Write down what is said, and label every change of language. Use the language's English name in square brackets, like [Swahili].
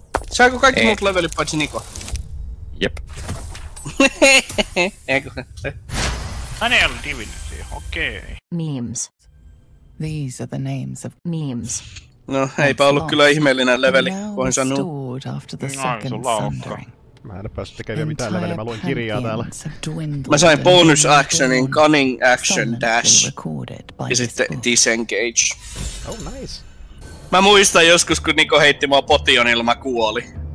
[Finnish] Saanko kaikki muut levelit paitsi Niko? Jep. Eikö? Hän ei ole divinity, okei. [English] Memes. These are the names of memes. [Finnish] No, eipä ollut kyllä ihmeellinen leveli, voin sanoa. No, ei sulla onkaan. Mä en päässyt tekemään mitään leveliä, mä luin kirjaa täällä. Mä sain bonus actionin, cunning action dash. Ja sitten disengage. [English] Oh, nice. [Finnish] Mä muistan joskus, kun Niko heitti mua potionilla, mä kuoli.